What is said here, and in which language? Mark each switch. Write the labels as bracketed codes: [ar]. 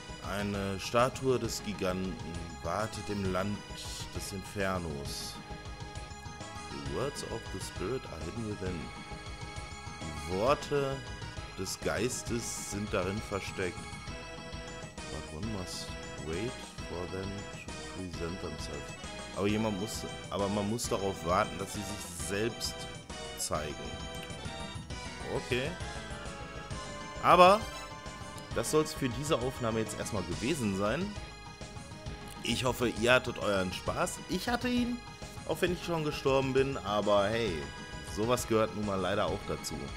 [de] Eine Statue des Giganten wartet im Land des Infernos. [en] The words of the spirit are hidden within. [de] Die Worte des Geistes sind darin versteckt. [en] But one must wait for them to present themselves. [de] Aber man muss darauf warten, dass sie sich selbst zeigen. Okay. Aber... das soll es für diese Aufnahme jetzt erstmal gewesen sein. Ich hoffe, ihr hattet euren Spaß. Ich hatte ihn, auch wenn ich schon gestorben bin. Aber hey, sowas gehört nun mal leider auch dazu.